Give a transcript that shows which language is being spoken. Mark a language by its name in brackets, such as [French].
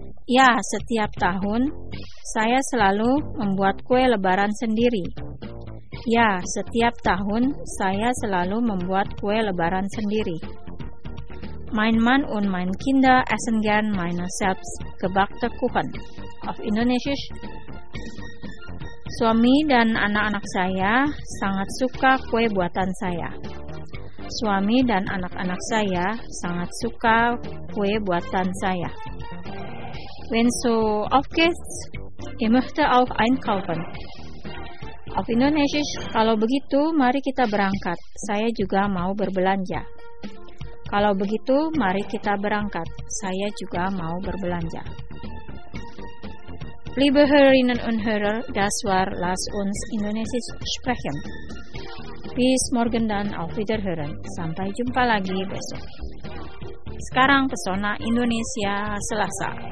[Indonesian] Ja, setiap tahun saya selalu membuat kue lebaran sendiri. Ya, setiap tahun saya selalu membuat kue lebaran sendiri. [German] mein Mann und meine Kinder essen gern meine selbst gebackte Kuchen. Auf Indonesisch. [Indonesian] Suami dan anak-anak saya sangat suka kue buatan saya. Suami dan anak-anak saya sangat suka kue buatan saya. [German] Wenn so oft geht's, ich möchte auch einkaufen. Auf Indonesisch, [Indonesian] kalau begitu, mari kita berangkat. Saya juga mau berbelanja. Kalau begitu, mari kita berangkat. Saya juga mau berbelanja. [German] Liebe Hörerinnen und Hörer, das war Lass uns Indonesisch sprechen. Bis morgen dann auf Wiederhören. [Indonesian] Sampai jumpa lagi besok. Sekarang pesona Indonesia Selasa.